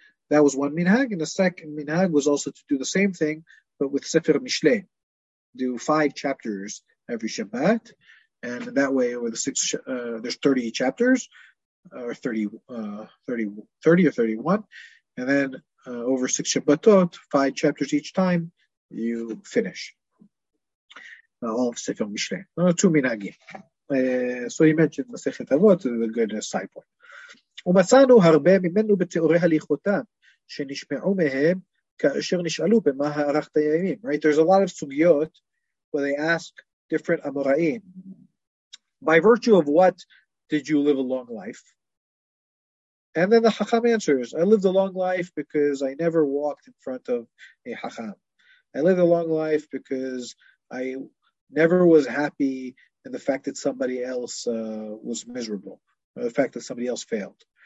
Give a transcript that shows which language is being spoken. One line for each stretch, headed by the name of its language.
English: That was one minhag, and the second minhag was also to do the same thing, but with Sefer Mishle, do 5 chapters every Shabbat, and that way over the 6, there's 30 chapters, or 30 or 31, and then over 6 Shabbatot, 5 chapters each time, you finish all of Sefer Mishle. 2 minhagim. So he mentioned Masechet Avot, a good side point.
Hebrew: ומצאנו הרבה ממנו בתיאורי הליכותם שנשמעו מהם כאשר נשאלו במה הארכת הימים.
English: Right, there's a lot of sugyot where they ask different amoraim, by virtue of what did you live a long life? And then the hacham answers, I lived a long life because I never walked in front of a hacham. I lived a long life because I never was happy in the fact that somebody else was miserable, or the fact that somebody else failed.